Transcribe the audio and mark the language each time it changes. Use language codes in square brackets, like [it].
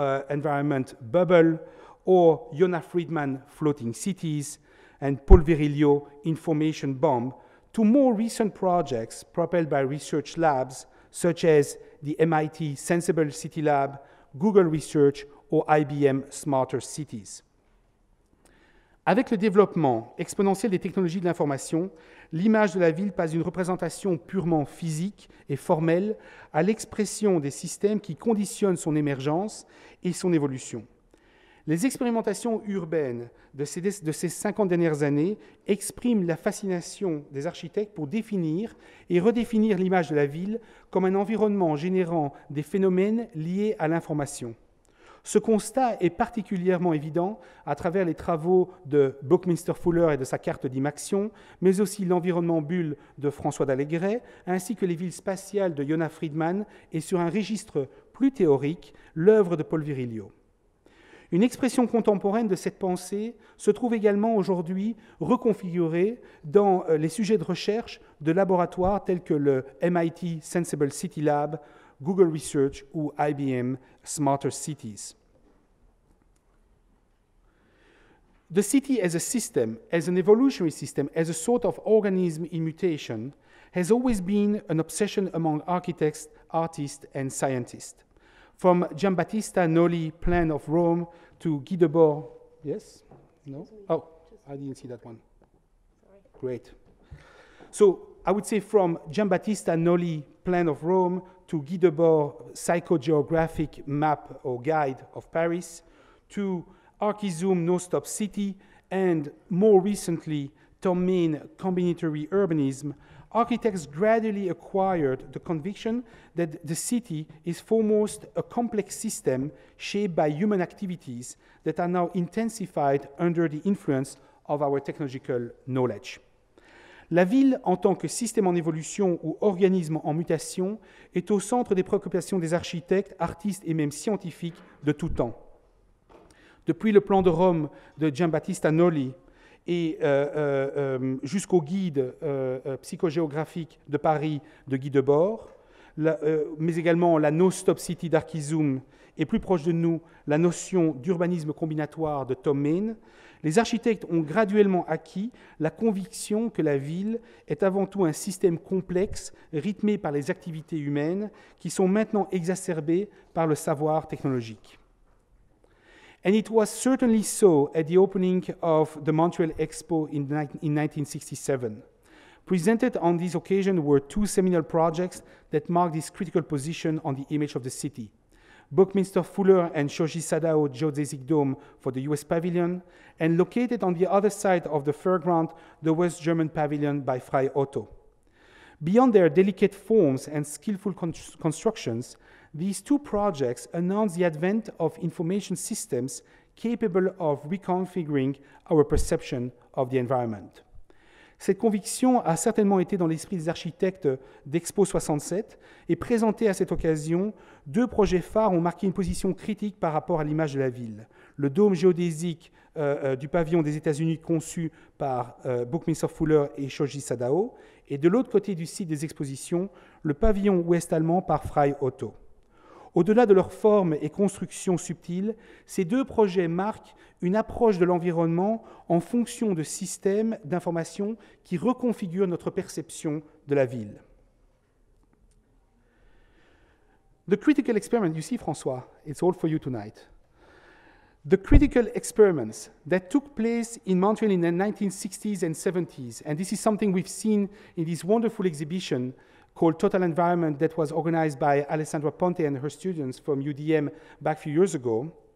[en] environment bubble, or Yona Friedman, floating cities, and Paul Virilio, information bomb, to more recent projects propelled by research labs such as the MIT Sensible City Lab, Google Research, or IBM Smarter Cities. [fr] Avec le développement exponentiel des technologies de l'information, l'image de la ville passe d'une représentation purement physique et formelle à l'expression des systèmes qui conditionnent son émergence et son évolution. Les expérimentations urbaines de ces 50 dernières années expriment la fascination des architectes pour définir et redéfinir l'image de la ville comme un environnement générant des phénomènes liés à l'information. Ce constat est particulièrement évident à travers les travaux de Buckminster Fuller et de sa carte d'Imaction, mais aussi l'environnement bulle de François d'Allégret, ainsi que les villes spatiales de Jonah Friedman et, sur un registre plus théorique, l'œuvre de Paul Virilio. Une expression contemporaine de cette pensée se trouve également aujourd'hui reconfigurée dans les sujets de recherche de laboratoires tels que le MIT Sensible City Lab, Google Research ou IBM Smarter Cities. [en] The city as a system, as an evolutionary system, as a sort of organism in mutation, has always been an obsession among architects, artists, and scientists. From Giambattista Noli's plan of Rome to Guy Debord, yes? No? Oh, I didn't see that one. Great. So I would say from Giambattista Noli's plan of Rome to Guy Debord's psychogeographic map or guide of Paris to Archizum No Stop City and more recently Tom Mean's combinatory urbanism, architects gradually acquired the conviction that the city is foremost a complex system shaped by human activities that are now intensified under the influence of our technological knowledge. [fr] La ville, en tant que système en évolution ou organisme en mutation, est au centre des préoccupations des architectes, artistes et même scientifiques de tout temps. Depuis le plan de Rome de Giambattista Noli, et jusqu'au guide psychogéographique de Paris de Guy Debord, mais également la No-Stop City d'Archizum, et plus proche de nous, la notion d'urbanisme combinatoire de Tom Mean, les architectes ont graduellement acquis la conviction que la ville est avant tout un système complexe, rythmé par les activités humaines, qui sont maintenant exacerbées par le savoir technologique. [en] And it was certainly so at the opening of the Montreal Expo in 1967. Presented on this occasion were two seminal projects that marked this critical position on the image of the city. Buckminster Fuller and Shoji Sadao's Geodesic Dome for the US Pavilion, and located on the other side of the fairground, the West German Pavilion by Frei Otto. Beyond their delicate forms and skillful constructions, these two projects announced the advent of information systems capable of reconfiguring our perception of the environment. [fr] Cette conviction a certainement été dans l'esprit des architectes d'Expo 67 et présenté à cette occasion, deux projets phares ont marqué une position critique par rapport à l'image de la ville. Le dôme géodésique du pavillon des États-Unis conçu par Buckminster Fuller et Shoji Sadao et de l'autre côté du site des expositions, le pavillon ouest-allemand par Frei Otto. Au-delà de leur forme et construction subtile, ces deux projets marquent une approche de l'environnement en fonction de systèmes d'information qui reconfigurent notre perception de la ville. [en] The critical experiment, you see, François, it's all for you tonight. The critical experiments that took place in Montreal in the 1960s and 70s, and this is something we've seen in this wonderful exhibition called Total Environment that was organized by Alessandra Ponte and her students from UDM back a few years ago.